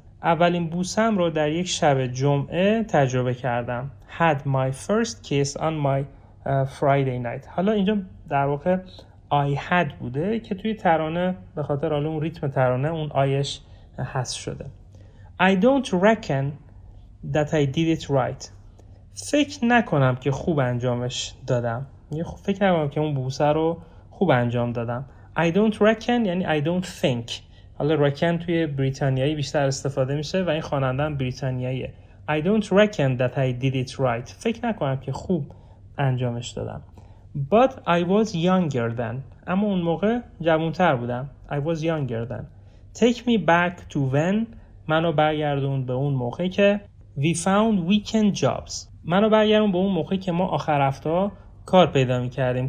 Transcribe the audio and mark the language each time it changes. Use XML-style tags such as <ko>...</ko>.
<fa>اولین بوسم رو در یک شب جمعه تجربه کردم.</fa> <en>Had my first kiss on my Friday night.</en> <fa>حالا اینجا در واقع I had بوده که توی ترانه به خاطر حالا اون ریتم ترانه اون آیش حذف شده.</fa> <en>I don't reckon that I did it right.</en> <fa>فکر نکنم که خوب انجامش دادم. فکر نکنم که اون بوسه رو خوب انجام دادم.</fa> <en>I don't reckon یعنی I don't think.</en> <fa>حالا reckon توی بریتانیایی بیشتر استفاده میشه و این خواننده بریتانیاییه.</fa> <en>I don't reckon that I did it right.</en> <fa>فکر نکنم که خوب انجامش دادم.</fa> <en>But I was younger then.</en> <fa>اما اون موقع جوانتر بودم.</fa> <en>I was younger then. Take me back to when.</en> <fa>منو برگردون به اون موقع که</fa> <en>we found weekend jobs.</en> <fa>منو برگردون به اون موقع که ما آخر هفته کار پیدا میکردیم.</fa>